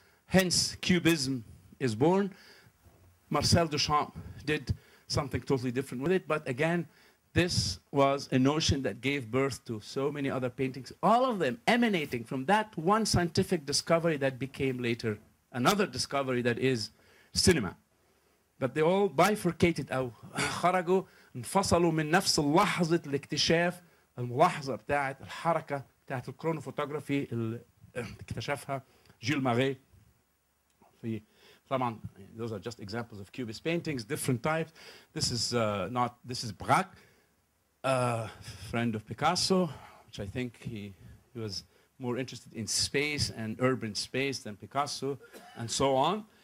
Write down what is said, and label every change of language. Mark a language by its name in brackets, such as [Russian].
[English] Hence, cubism is born. Marcel Duchamp did something totally different with it. But again, this was a notion that gave birth to so many other paintings, all of them emanating from that one scientific discovery that became later another discovery that is cinema. But they all bifurcated [Arabic] أو خرجوا انفصلوا من نفس اللحظة الاكتشاف الملاحظة بتاعت الحركة بتاعت الكرونوفوتوغرافي اللي اكتشفها جيل ماري. [English] طبعا, those are just examples of cubist paintings, different types. This is Braque. A friend of Picasso, which I think he was more interested in space and urban space than Picasso, and so on.